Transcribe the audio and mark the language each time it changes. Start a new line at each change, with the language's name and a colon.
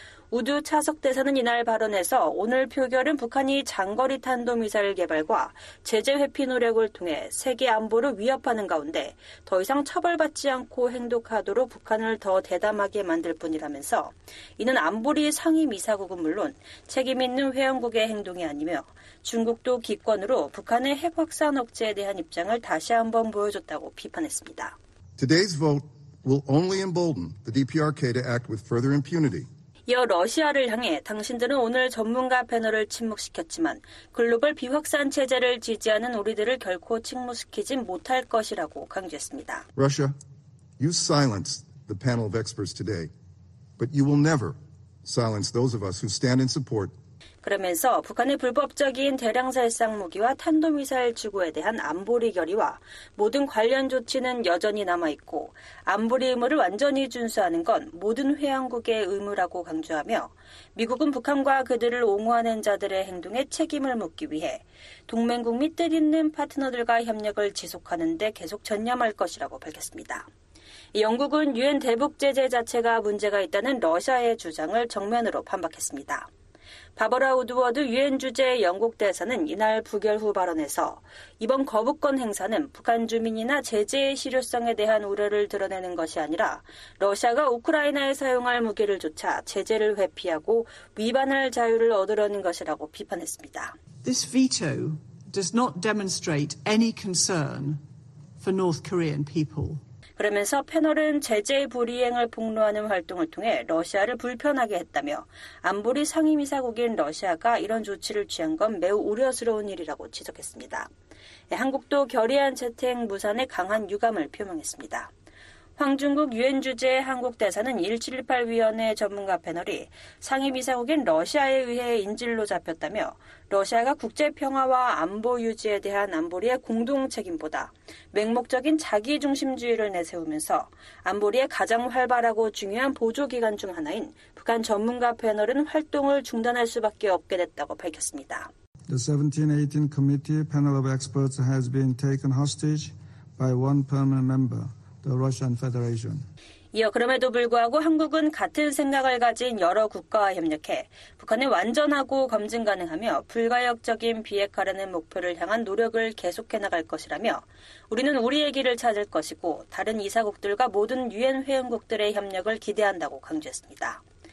Korean: 우두 차석 대사는 이날 발언에서 오늘 표결은 북한이 장거리 탄도미사일 개발과 제재 회피 노력을 통해 세계 안보를 위협하는 가운데 더 이상 처벌받지 않고 행동하도록 북한을 더 대담하게 만들 뿐이라면서 이는 안보리 상임이사국은 물론 책임 있는 회원국의 행동이 아니며 중국도 기권으로 북한의 핵 확산 억제에 대한 입장을 다시 한번 보여줬다고 비판했습니다.
English: Today's vote will only embolden the DPRK to act with further impunity.
Korean: 이어 러시아를 향해 당신들은 오늘 전문가 패널을 침묵시켰지만 글로벌 비확산 체제를 지지하는 우리들을 결코 침묵시키진 못할 것이라고 강조했습니다.
English: Russia, you silenced the panel of experts today, but you will never silence those of us who stand in support.
Korean: 그러면서 북한의 불법적인 대량살상 무기와 탄도미사일 추구에 대한 안보리 결의와 모든 관련 조치는 여전히 남아있고 안보리 의무를 완전히 준수하는 건 모든 회원국의 의무라고 강조하며 미국은 북한과 그들을 옹호하는 자들의 행동에 책임을 묻기 위해 동맹국 및 뜻 있는 파트너들과 협력을 지속하는 데 계속 전념할 것이라고 밝혔습니다. 영국은 유엔 대북 제재 자체가 문제가 있다는 러시아의 주장을 정면으로 반박했습니다. 바버라 우드워드 유엔 주재 영국 대사는 이날 부결 후 발언에서 이번 거부권 행사는 북한 주민이나 제재의 실효성에 대한 우려를 드러내는 것이 아니라 러시아가 우크라이나에 사용할 무기를 조차 제재를 회피하고 위반할 자유를 얻으려는 것이라고 비판했습니다.
English: This veto does not demonstrate any concern for North Korean people.
Korean: 그러면서 패널은 제재 불이행을 폭로하는 활동을 통해 러시아를 불편하게 했다며 안보리 상임이사국인 러시아가 이런 조치를 취한 건 매우 우려스러운 일이라고 지적했습니다. 한국도 결의안 채택 무산에 강한 유감을 표명했습니다. 황중국 유엔 주재 한국 대사는 1718 위원회 전문가 패널이 상임이사국인 러시아에 의해 인질로 잡혔다며 러시아가 국제 평화와 안보 유지에 대한 안보리의 공동 책임보다 맹목적인 자기 중심주의를 내세우면서 안보리의 가장 활발하고 중요한 보조 기관 중 하나인 북한 전문가 패널은 활동을 중단할 수밖에 없게 됐다고 밝혔습니다.
English: The 1718 committee panel of experts has been taken hostage by one permanent member. The Russian Federation.
Korean: 이어 그럼에도 불구하고 한국은 같은 생각을 가진 여러 국가와 협력해 북한을 완전하고 검증 가능하며 불가역적인 비핵화라는 목표를 향한 노력을 계속해 나갈 것이라며 우리는 우리의 길을 찾을 것이고 다른 이사국들과 모든 유엔 회원국들의 협력을 기대한다고 강조했습니다.